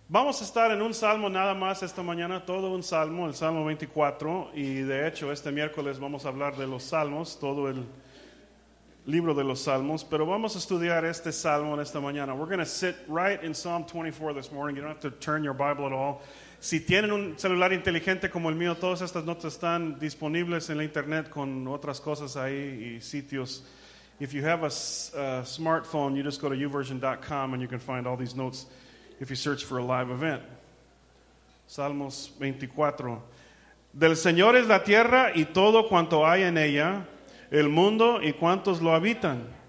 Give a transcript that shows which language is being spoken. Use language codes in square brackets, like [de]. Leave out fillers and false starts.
[es] Vamos a estar en un salmo nada más esta mañana, todo un salmo, el salmo 24, y de hecho este miércoles vamos a hablar de los salmos, todo el libro de los salmos, pero vamos a estudiar este salmo en esta mañana. [en] We're going to sit right in Psalm 24 this morning. You don't have to turn your Bible at all. [es] Si tienen un celular inteligente como el mío, todas estas notas están disponibles en la internet con otras cosas ahí y sitios. [en] If you have a smartphone, you just go to uversion.com and you can find all these notes if you search for a live event. [es] Salmos 24. Del Señor es la tierra y todo cuanto hay en ella, el mundo y cuantos lo habitan.